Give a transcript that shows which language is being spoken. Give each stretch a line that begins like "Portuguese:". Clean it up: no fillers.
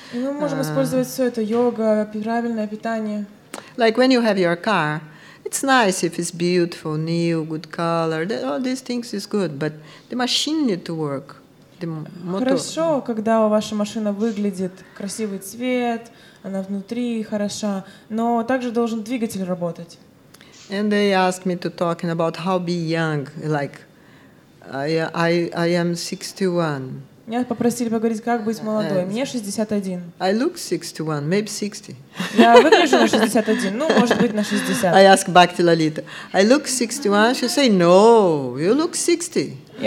Russian: Мы можем использовать все это, йога, правильное питание.
English: Like when you have your car, it's nice if it's beautiful, new, good color. All these things is good, but the machine need to work.
Russian: Хорошо, когда ваша машина выглядит красивый цвет, она внутри хороша, но также должен двигатель работать.
English: And they asked me to talk about how be young, like. I am 61.
Russian: Меня попросили поговорить, как быть молодой. Мне 61.
English: I look 61, maybe 60.
Russian: Я выгляжу на 61, ну, может быть, на 60.
English: I ask Bhakti Lalita. I look 61, she say, no, you look 60.